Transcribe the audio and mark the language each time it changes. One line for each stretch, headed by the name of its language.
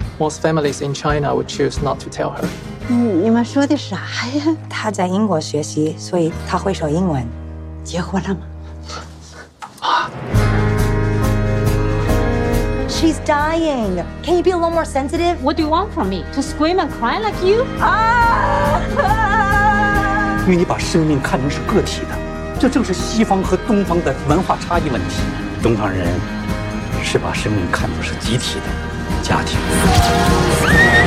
English: Most families in China would choose not to tell her.
Chinese: 你们说的啥呀？他在英国学习，所以他会说英文。结婚了吗？
English: She's dying. Can you be a little more sensitive? What do you want from me? To scream and cry like you?
Chinese: 因为你把生命看成是个体的，这正是西方和东方的文化差异问题。东方人是把生命看作是集体的，家庭。